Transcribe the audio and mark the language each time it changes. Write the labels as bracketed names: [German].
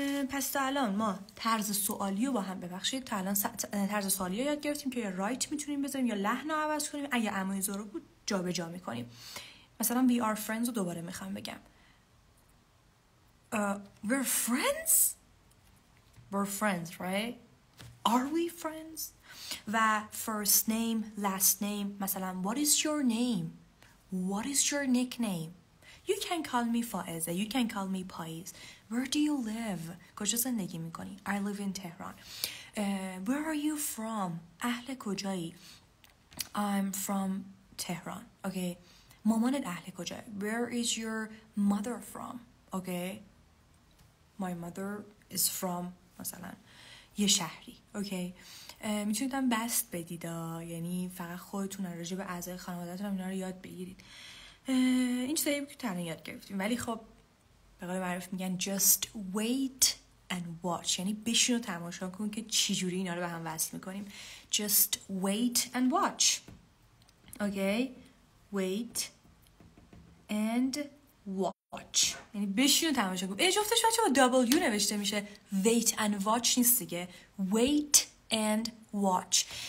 [Persian] پس تا الان ما طرز سوالی رو با هم، ببخشید، تا الان طرز سوالی رو یاد گرفتیم که یا رایت میتونیم بذاریم یا لحن رو عوض کنیم. اگه امایز رو بود جا به جا میکنیم. مثلا [English] we are friends [Persian] رو دوباره میخوام بگم. [English] We're friends، we're friends right، are we friends. و first name last name، مثلا what is your name، what is your nickname، you can call me Faezeh, you can call me Paeez. Where do you live، [Persian] کجا زندگی میکنی؟ [English] I live in Tehran. Where are you from، [Persian] اهل کجایی؟ [English] I'm from Tehran. okay [Persian] مامانت اهل کجایی؟ [English] Where is your mother from، okay my mother is from [Persian] مثلا یه شهری. okay میتونید هم بست بدید، یعنی فقط خودتون راجع به اعضای خانوادهتون اینا رو یاد بگیرید. این چیزایی بود که تنها یاد گرفتیم، ولی خب به قول معروف میگن [English] just wait and watch، [Persian] یعنی بشین و تماشا کن که چی جوری اینا رو به هم وصل میکنیم. [English] just wait and watch، okay wait and watch، [Persian] یعنی بشین و تماشا کن. جفتش بچه با W نوشته میشه، [English] wait and watch [Persian] نیست دیگه، wait and watch.